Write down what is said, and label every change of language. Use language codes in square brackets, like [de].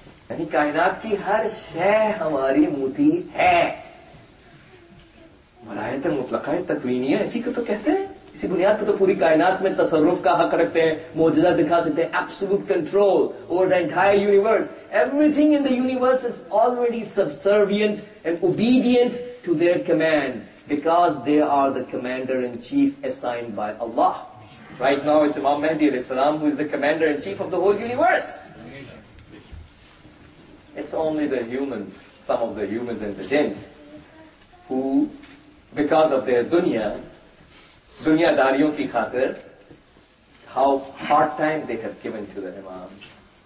[ur] یعنی کائنات کی ہر شے ہماری موتی ہے. ولایت مطلقہ تکوینیہ اسی کو تو کہتے ہیں. اسی بنیاد پہ تو پوری کائنات میں تصرف کا حق رکھتے ہیں, معجزہ دکھا سکتے ہیں. [en] Absolute control over the entire universe. Everything in the universe is already subservient and obedient to their command, because they are the commander in chief assigned by اللہ. Right now it's Imam Mahdi alayhi salam who is the commander in chief of the whole universe. It's only the humans, some of the humans and the jinns, who, because of their [ur] dunya dariyon ki khatir, [en] how hard time they have given to the imams.